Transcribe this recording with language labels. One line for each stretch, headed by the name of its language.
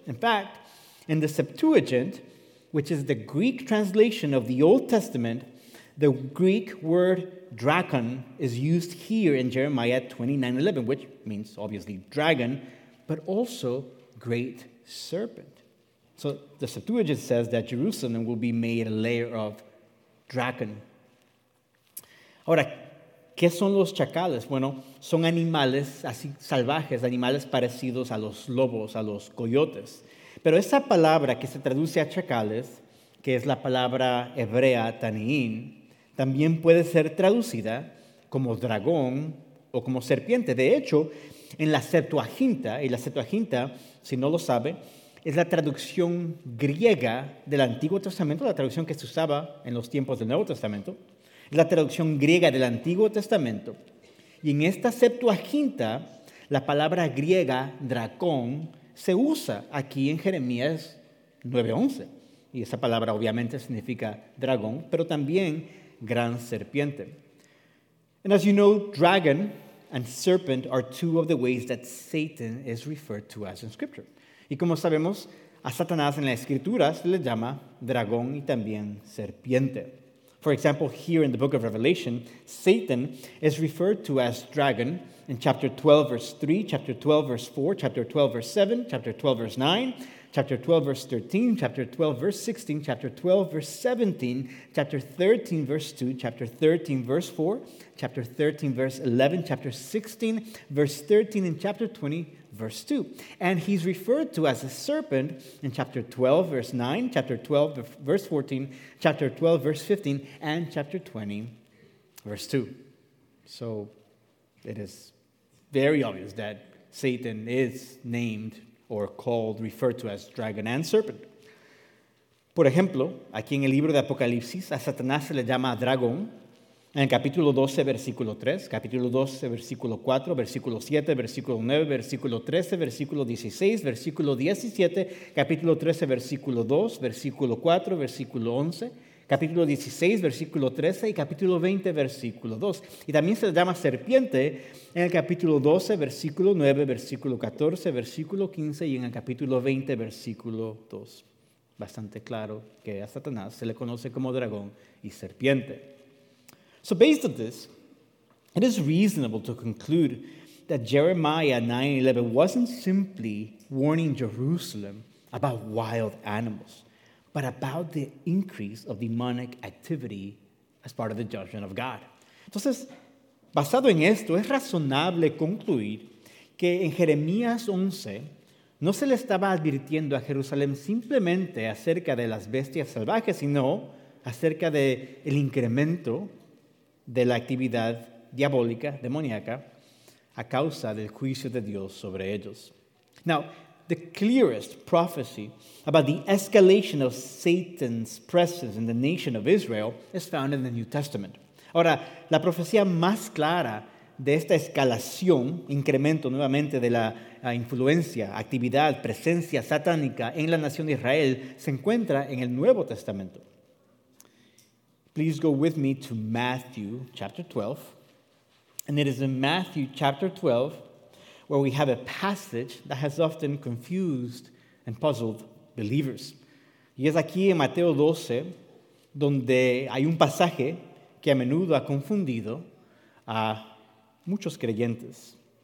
English: In fact, in the Septuagint, which is the Greek translation of the Old Testament, the Greek word drakon is used here in Jeremiah 29:11, which means obviously dragon, but also great serpent. So the Septuagint says that Jerusalem will be made a lair of dragon.
Spanish: Ahora, ¿qué son los chacales? Bueno, son animales así salvajes, animales parecidos a los lobos, a los coyotes. Pero esa palabra que se traduce a chacales, que es la palabra hebrea tanin, también puede ser traducida como dragón o como serpiente. De hecho, en la Septuaginta, y la Septuaginta, si no lo sabe, es la traducción griega del Antiguo Testamento, la traducción que se usaba en los tiempos del Nuevo Testamento, la traducción griega del Antiguo Testamento. Y en esta Septuaginta, la palabra griega dracón se usa aquí en Jeremías 9:11. Y esa palabra obviamente significa dragón, pero también gran serpiente.
English: And as you know, dragon and serpent are two of the ways that Satan is referred to as in Scripture.
Spanish: Y como sabemos, a Satanás en la Escritura se le llama dragón y también serpiente.
English: For example, here in the book of Revelation, Satan is referred to as dragon in chapter 12, verse 3, chapter 12, verse 4, chapter 12, verse 7, chapter 12, verse 9, chapter 12, verse 13, chapter 12, verse 16, chapter 12, verse 17, chapter 13, verse 2, chapter 13, verse 4, chapter 13, verse 11, chapter 16, verse 13, and chapter 20, verse 2. And he's referred to as a serpent in chapter 12, verse 9, chapter 12, verse 14, chapter 12, verse 15, and chapter 20, verse 2. So it is very obvious that Satan is named or called, referred to as dragon and serpent.
Spanish: Por ejemplo, aquí en el libro de Apocalipsis, a Satanás se le llama dragón. En el capítulo 12, versículo 3, capítulo 12, versículo 4, versículo 7, versículo 9, versículo 13, versículo 16, versículo 17, capítulo 13, versículo 2, versículo 4, versículo 11, capítulo 16, versículo 13 y capítulo 20, versículo 2. Y también se le llama serpiente en el capítulo 12, versículo 9, versículo 14, versículo 15 y en el capítulo 20, versículo 2. Bastante claro que a Satanás se le conoce como dragón y serpiente.
English: So based on this, it is reasonable to conclude that Jeremiah 9:11 wasn't simply warning Jerusalem about wild animals, but about the increase of demonic activity as part of the judgment of God.
Spanish: Entonces, basado en esto, es razonable concluir que en Jeremías 11 no se le estaba advirtiendo a Jerusalén simplemente acerca de las bestias salvajes, sino acerca del incremento de la actividad diabólica, demoníaca, a causa del juicio de Dios sobre ellos.
English: Now, the clearest prophecy about the escalation of Satan's presence in the nation of Israel is found in the New Testament.
Spanish: Ahora, la profecía más clara de esta escalación, incremento nuevamente de la influencia, actividad, presencia satánica en la nación de Israel, se encuentra en el Nuevo Testamento.
English: Please go with me to Matthew chapter 12. And it is in Matthew chapter 12 where we have a passage that has often confused and puzzled believers.
Spanish: Y es aquí en Mateo 12 donde hay un pasaje que a menudo ha confundido a muchos creyentes.